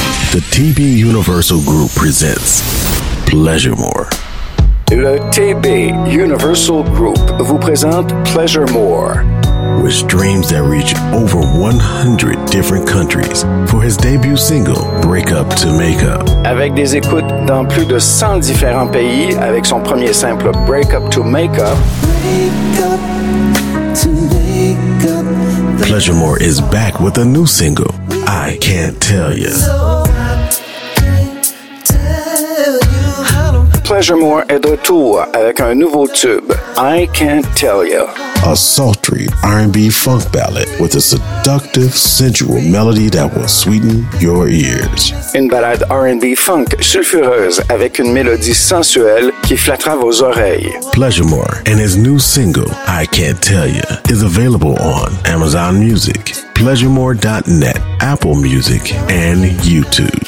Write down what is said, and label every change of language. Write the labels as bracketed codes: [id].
[en] The TB Universal Group presents Pleasuremore. [fr] Le TB Universal Group vous présente Pleasuremore. [en] With streams that reach over 100 different countries for his debut single, Break Up to Make Up. [fr] Avec des écoutes dans plus de 100 différents pays, avec son premier simple, Break Up to Make Up. [en] Break up to make up. Pleasuremore is back with a new single, I Can't Tell Ya. [fr] Pleasuremore est de retour avec un nouveau tube, I Can't Tell You. [en] A sultry R&B funk ballad with a seductive, sensual melody that will sweeten your ears. [fr] Une ballade R&B funk sulfureuse avec une mélodie sensuelle qui flattera vos oreilles. [en] Pleasuremore and his new single, I Can't Tell You, is available on Amazon Music, Pleasuremore.net, Apple Music, and YouTube.